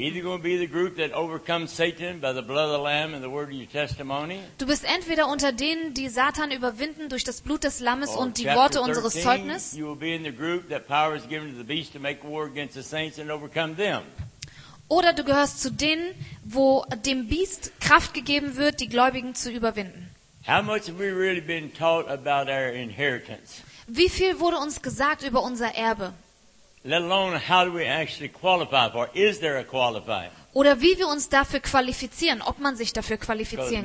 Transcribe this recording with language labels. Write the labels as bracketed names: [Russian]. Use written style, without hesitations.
[English] You're going to be the group that overcomes Satan by the blood of the Lamb and the word of your testimony. [German] Du bist entweder unter denen, die Satan überwinden durch das Blut des Lammes und die Worte unseres Zeugnisses. [English] You will be in the group that power is given to the beast to make war against the saints and overcome them. [German] Oder du gehörst zu denen, wo dem Biest Kraft gegeben wird, die Gläubigen zu überwinden. [English] How much have we really been taught about our inheritance? [German] Wie viel wurde uns gesagt über unser Erbe? [English] Let alone how do we actually qualify for? Is there a qualifying? [German] Oder wie wir uns dafür qualifizieren, ob man sich dafür qualifizieren kann.